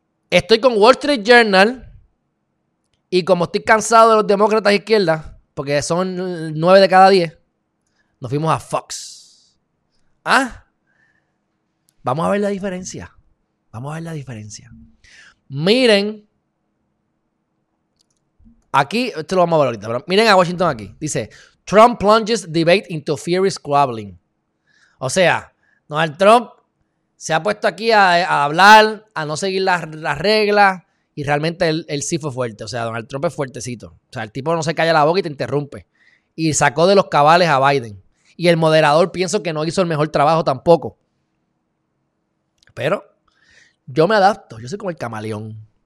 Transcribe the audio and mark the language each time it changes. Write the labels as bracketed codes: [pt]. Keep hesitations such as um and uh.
[es] Estoy con Wall Street Journal. Y como estoy cansado de los demócratas de izquierda, porque son nueve de cada diez, nos fuimos a Fox. Ah, vamos a ver la diferencia. Vamos a ver la diferencia. Miren. Aquí, esto lo vamos a ver ahorita, pero miren a Washington aquí. [en] Dice, Trump plunges debate into fiery squabbling. [es] O sea, Donald Trump se ha puesto aquí a, a hablar, a no seguir las, las reglas, y realmente él, él sí fue fuerte. O sea, Donald Trump es fuertecito. O sea, el tipo no se calla la boca y te interrumpe. Y sacó de los cabales a Biden. Y el moderador pienso que no hizo el mejor trabajo tampoco. Pero yo me adapto, yo soy como el camaleón.